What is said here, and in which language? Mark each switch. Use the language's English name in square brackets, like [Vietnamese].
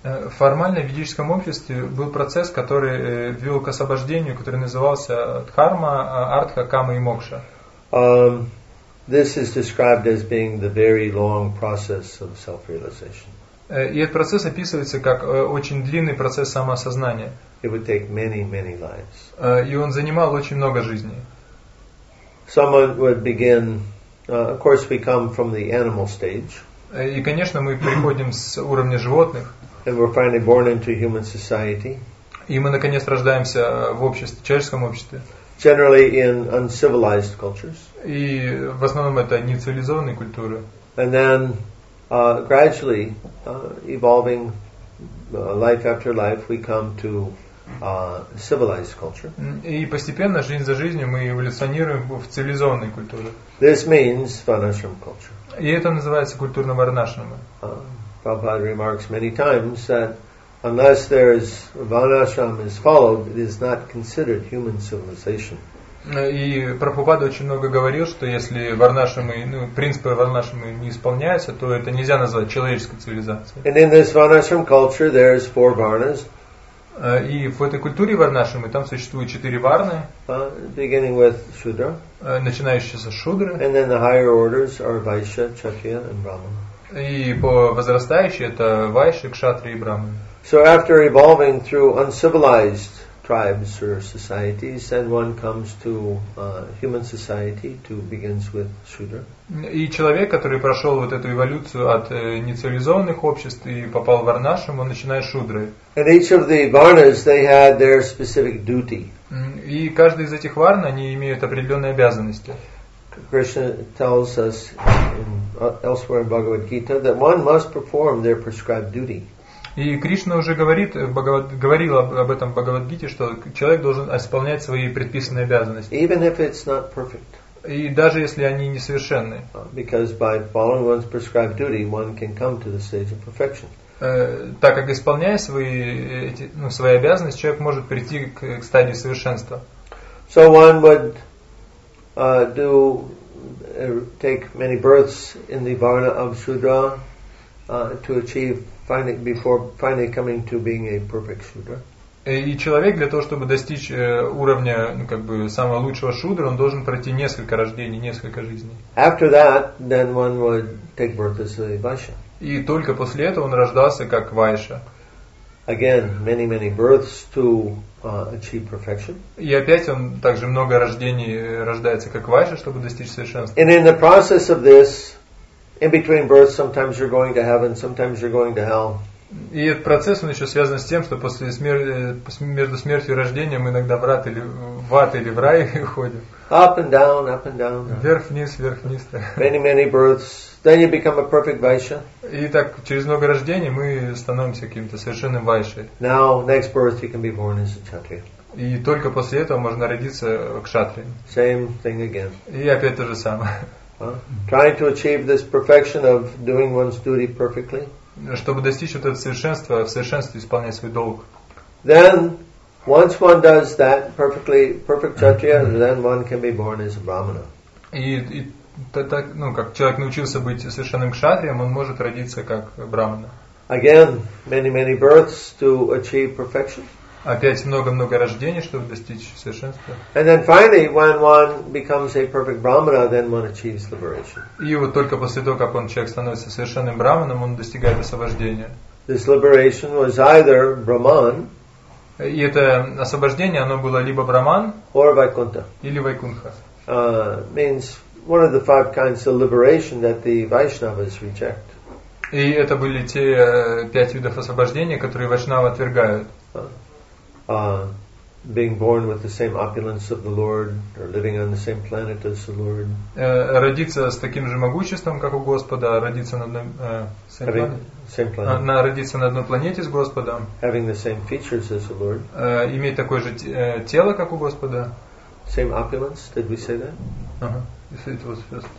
[Russian] Формально в ведическом обществе был процесс, который вел к освобождению, который назывался Дхарма, Артха, Кама и Мокша. [English] This is described as being the very long process of self-realization. [Russian] И этот процесс описывается как очень длинный процесс самоосознания. [English] It would take many, many lives. [Russian] И он занимал очень много жизней. [English] Someone would begin. Of course, we come from the animal stage. [Russian] И конечно, мы приходим с уровня животных. [English] And we're finally born into human society. [Russian] И мы наконец рождаемся в обществе, в человеческом обществе. [English] Generally in uncivilized cultures. [Russian] И в основном это не цивилизованные культуры. [English] And then gradually evolving life after life we come to civilized culture. [Russian] И постепенно жизнь за жизнью мы эволюционируем в цивилизованные культуры. [English] This means Varnashram culture. [Russian] И это называется культурным варнашрамом. [English] Prabhupada remarks many times that unless there is Vanashram is followed, it is not considered human civilization. [Russian] И Прабхупада очень много говорил, что если варнашрамы, ну, принципы варнашрамы не исполняются, то это нельзя назвать человеческой цивилизацией. [English] And in this varnashram culture there is four varnas. [Russian] И в этой культуре варнашрамы там существует четыре варны. [English] Beginning with Shudra. [Russian] Начинающие со Шудры. [English] And then the higher orders are Vaishya, Kshatriya and Brahmana. [Russian] И по возрастающей это Вайши, Кшатри и Брахманы. [English] So after evolving through uncivilized tribes or societies, then one comes to human society to begins with Shudra. [Russian] И человек, который прошел вот эту эволюцию от нецивилизованных обществ и попал в варнашрам, он начинает с Шудры. [English] And each of the varnas, they had their specific duty. [Russian] И каждый из этих варн, они имеют определенные обязанности. [English] Krishna tells us elsewhere in Bhagavad Gita that one must perform their prescribed duty. [Russian] И Кришна уже говорил об этом в Бхагавад-гите, что человек должен исполнять свои предписанные обязанности. [English] Even if it's not perfect. [Russian] И даже если они несовершенны. [English] Because by following one's prescribed duty, one can come to the stage of perfection. [Russian] Так как исполняя свои, эти, ну, свои обязанности, человек может прийти к стадии совершенства. [English] So one would take many births in the varna of Shudra to achieve before finally coming to being a perfect Shudra. [Russian] И человек для того, чтобы достичь уровня как бы самого лучшего Шудры, он должен пройти несколько рождений, несколько жизней. [English] After that, then one would take birth as a Vaishya. [Russian] И только после этого он рождался как Вайша. [English] Again, many, many births to achieve perfection. [Russian] И опять он также много рождений рождается как Вайша, чтобы достичь совершенства. [English] And in the process of this, in between births, sometimes you're going to heaven, sometimes you're going to hell. [Russian] И этот процесс, он еще связан с тем, что после между смертью и рождением мы иногда в ад или в рай ходим. [English] Up and down, up and down. [Russian] Вверх-вниз, вверх-вниз. [English] Many, many births. Then you become a perfect Vaishya. [Russian] И так, через много рождений мы становимся каким-то совершенным Вайшей. [English] Now, next birth, you can be born as a Kshatriya. [Russian] И только после этого можно родиться Кшатрия. [English] Same thing again. [Russian] И опять то же самое. [English] Trying to achieve this perfection of doing one's duty perfectly. [Russian] Чтобы достичь вот этого совершенства, в совершенстве исполнять свой долг. [English] Then, once one does that perfectly, perfect kshatriya, then one can be born as a brahmana. [Russian] И так, ну, как человек научился быть совершенным кшатрием, он может родиться как брахмана. [English] Again, many, many births to achieve perfection. [Russian] Опять много-много рождений, чтобы достичь совершенства. [English] And then finally, when one becomes a perfect brahmana, then one achieves liberation. [Russian] И вот только после того, как он человек становится совершенным брахманом, он достигает освобождения. [English] This liberation was either brahman. [Russian] И это освобождение, оно было либо брахман, [English] or vaikuntha. [Russian] Или вайкунха. [English] Means one of the five kinds of liberation that the Vaishnavas reject. [Russian] И это были те пять видов освобождения, которые вайшнавы отвергают. [English] Being born with the same opulence of the Lord, or living on the same planet as the Lord. [Russian] Родиться с таким же могуществом, как у Господа, родиться на одном родиться на одной планете с Господом. [English] Having the same features as the Lord. [Russian] Иметь такое же тело, как у Господа. [English] Same opulence? Did we say that? Uh-huh. It was first.